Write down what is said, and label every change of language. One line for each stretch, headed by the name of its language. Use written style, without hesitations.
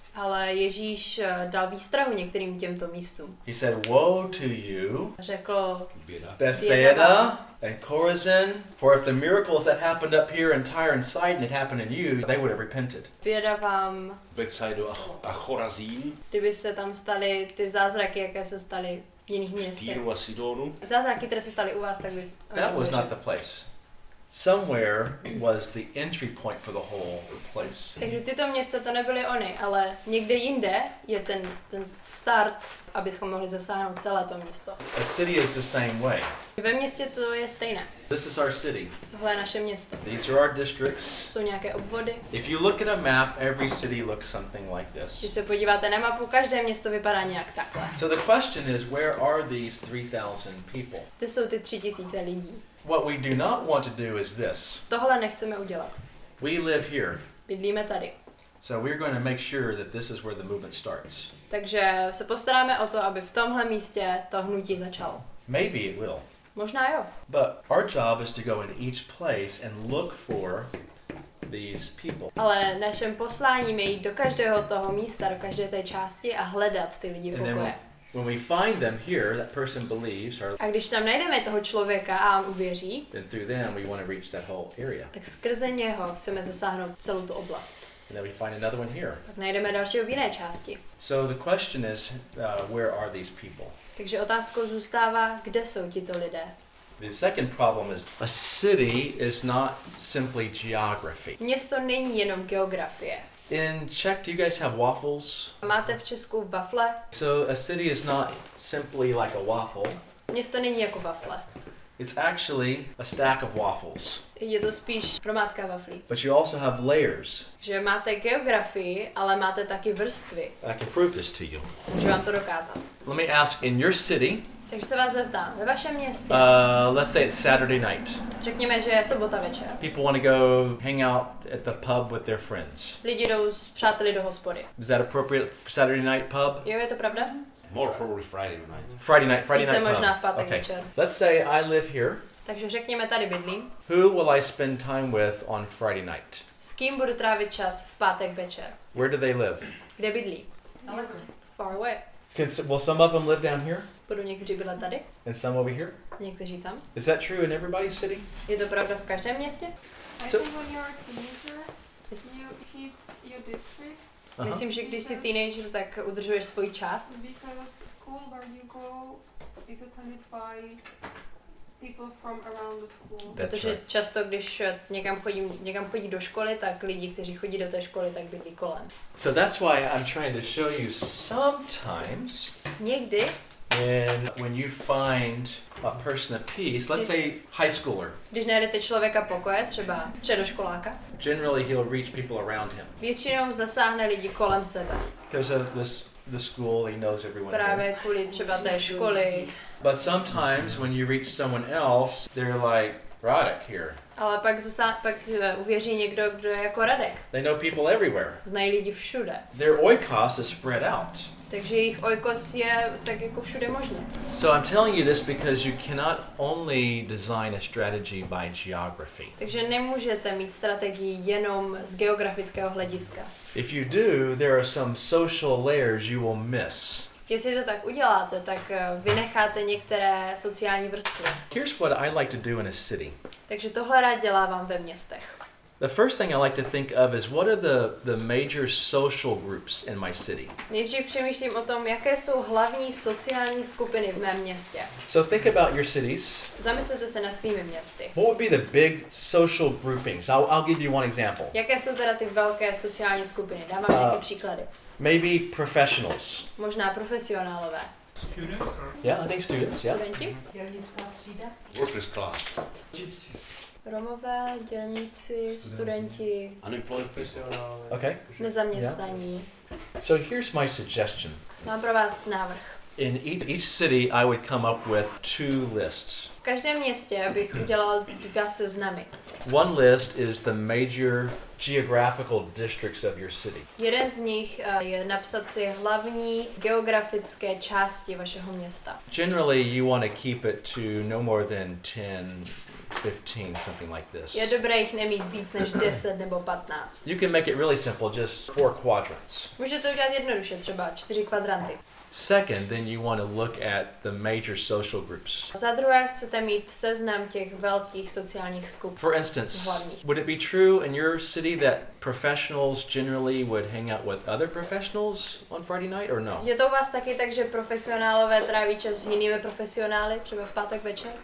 Czech: Ale Ježíš dal výstrahu některým těmto místům.
English: He said, woe to you,
Czech: řekl,
English: Bethsaida and Chorazin, for if the miracles that happened up here in Tyre and Sidon had happened in you, they would have repented.
Czech: Běda vám, Bethsaida a Chorazin, kdyby se tam staly ty zázraky, jaké se staly v jiných městech. V Týru a Sidonu. Zázraky, které se staly u vás, tak by...
English: That was not the place. Somewhere was the entry point for the whole place.
Czech: Takže tyto města to nebyly ony, ale někde jinde je ten start, abychom mohli zasáhnout celé to město.
English: A city is the same way.
Czech: Ve městě to je stejné.
English: This is our city.
Czech: Tohle je naše město.
English: These are our districts.
Czech: Jsou nějaké obvody.
English: If you look at a map, every city looks something like this.
Czech: Když se podíváte na mapu, každé město vypadá nějak takhle.
English: So the question is, where are these 3,000 people?
Czech: To jsou ty 3,000 lidí.
English: What we do not want to do is this.
Czech: Tohle nechceme udělat.
English: We live here.
Czech: Bydlíme tady.
English: So we're going to make sure that this is where the movement starts.
Czech: Takže se postaráme o to, aby v tomhle místě to hnutí začalo.
English: Maybe it will.
Czech: Možná jo.
English: But our job is to go in each place and look for these people.
Czech: Ale naším posláním je jít do každého toho místa, do každé té části a hledat ty lidi v pokoje.
English: When we find them here, that person believes. Or,
Czech: a když tam najdeme toho člověka a on uvěří,
English: then through them we want to reach that whole area.
Czech: Tak skrze něho chceme zasáhnout celou tu oblast.
English: And then we find another one here.
Czech: Tak najdeme dalšího v jiné části.
English: So the question is, where are these people?
Czech: Takže otázkou zůstává, kde jsou tito lidé?
English: The second problem is a city is not simply geography.
Czech: Město není jenom geografie.
English: In Czech, do you guys have waffles?
Czech: Máte v Česku wafle?
English: So a city is not simply like a waffle.
Czech: Město není jako wafle.
English: It's actually a stack of waffles.
Czech: Je to spíš hromádka waflí.
English: But you also have layers.
Czech: Že máte geografii, ale máte taky vrstvy.
English: I can prove this to you.
Czech: Můžu vám to dokázat.
English: Let me ask, in your city.
Czech: Takže se vás zeptám, ve vašem městě.
English: Let's say it's Saturday night.
Czech: Řekněme, že je sobota večer.
English: People want to go hang out at the pub with their friends.
Czech: Lidi jdou s přáteli do hospody.
English: Is that appropriate for Saturday night pub?
Czech: Jo, je to pravda?
English: More probably Friday night. Friday night pub.
Czech: Možná v pátek okay. Večer.
English: Let's say I live here.
Czech: Takže řekněme, tady bydlím.
English: Who will I spend time with on Friday night?
Czech: S kým budu trávit čas v pátek večer?
English: Where do they live?
Czech: Kde bydlí?
English: Far away. Will some of them live down here?
Czech: Budou někteří bydlet tady.
English: And some over here?
Czech: Někteří tam.
English: Is that true in everybody's city?
Czech: Je to pravda v každém městě?
English: So, I think when you're a teenager, your district. Uh-huh.
Czech: Myslím, že když jsi teenager, tak udržuješ svůj část.
English: Because school where you go is attended by people from around the school. That's
Czech: protože
English: right.
Czech: Často, když někam chodí do školy, tak lidi, kteří chodí do té školy, tak bydlí kolem.
English: So that's why I'm trying to show you sometimes.
Czech: Někdy.
English: And when you find a person of peace, let's say high schooler.
Czech: Když najdete člověka pokoje, třeba středoškoláka.
English: Generally he'll reach people around him.
Czech: Většinou zasáhne lidi kolem sebe.
English: Because of this, the school, he knows everyone.
Czech: Právě kvůli třeba té školy.
English: But sometimes when you reach someone else, they're like Radek here.
Czech: Ale pak uvěří někdo, kdo je jako Radek.
English: They know people everywhere.
Czech: Znají lidi všude.
English: Their oikos is spread out.
Czech: Takže jejich oikos je tak jako všude možné.
English: So I'm telling you this because you cannot only design a strategy by geography.
Czech: Takže nemůžete mít strategii jenom z geografického hlediska.
English: If you do, there are some social layers you will miss.
Czech: Jestli to tak uděláte, tak vynecháte některé sociální vrstvy.
English: Here's what I like to do in a city.
Czech: Takže tohle rád dělávám ve městech.
English: The first thing I like to think of is what are the major social groups in my city.
Czech: Nejdřív přemýšlím o tom, jaké jsou hlavní sociální skupiny v mém městě.
English: So think about your cities.
Czech: Zamyslete se nad svými městy.
English: What would be the big social groupings? I'll give you one example.
Czech: Jaké jsou teda ty velké sociální skupiny? Dám vám nějaké příklady.
English: Maybe professionals.
Czech: Možná profesionálové.
English: Students? Or... Yeah, I think students, yeah.
Czech: Studenti? Dělnická třída?
English: Workers class. Gypsies.
Czech: Romové, dělníci, studenti.
English: Unemployed professionals. Okay.
Czech: Nezaměstnaní.
English: Yeah. So here's my suggestion.
Czech: Mám pro vás návrh.
English: In each city, I would come up with two lists.
Czech: V každém městě bych udělal dva seznamy.
English: One list is the major geographical districts of your city.
Czech: Jeden z nich je napsat si hlavní geografické části vašeho města.
English: Generally, you want to keep it to no more than 10, 15, something like this.
Czech: Je dobré jich nemít víc než 10 nebo 15.
English: You can make it really simple, just 4 quadrants.
Czech: Můžete udělat jednoduše, třeba 4 kvadranty.
English: Second, then you want to look at the major social groups.
Czech: Za druhé chcete mít seznam těch velkých sociálních skupin.
English: For instance, would it be true in your city that professionals generally would hang out with other professionals on Friday night or no?
Czech: Je to u vás taky tak, že profesionálové tráví čas s jinými profesionály třeba v pátek večer?